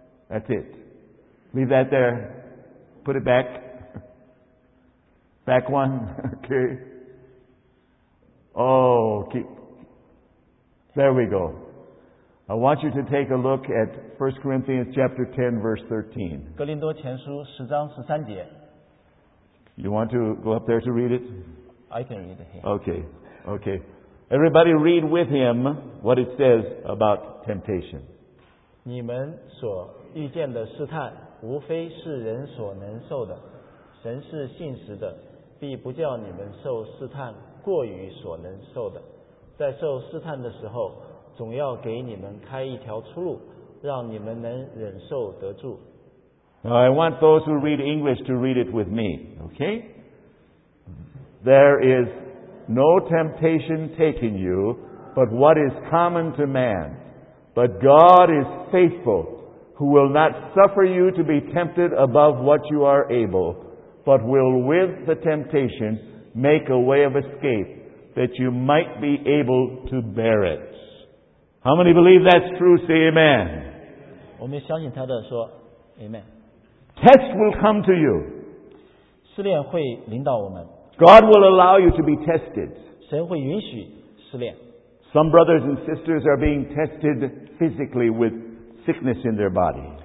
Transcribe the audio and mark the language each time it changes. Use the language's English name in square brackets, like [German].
[English] That's it. Leave that there. Put it back. Back one. Okay. Oh, keep. There we go. I want you to take a look at 1 Corinthians chapter 10, verse 13. [Chinese] 哥林多前书十章十三节。 [English] You want to go up there to read it? I can read it here. Okay, okay. Everybody read with him what it says about temptation. [Chinese] 你们所遇见的试探，无非是人所能受的。神是信实的，必不叫你们受试探过于所能受的。在受试探的时候，总要给你们开一条出路，让你们能忍受得住。 [English] Now, I want those who read English to read it with me, okay? There is no temptation taking you, but what is common to man. But God is faithful, who will not suffer you to be tempted above what you are able, but will with the temptation make a way of escape, that you might be able to bear it. How many believe that's true? Say amen. [Chinese] 我们相信他的说, amen. [English] Tests will come to you. [Chinese] 试炼会临到我们, [English] God will allow you to be tested. [Chinese] 神会允许试炼, [English] some brothers and sisters are being tested physically with sickness in their body.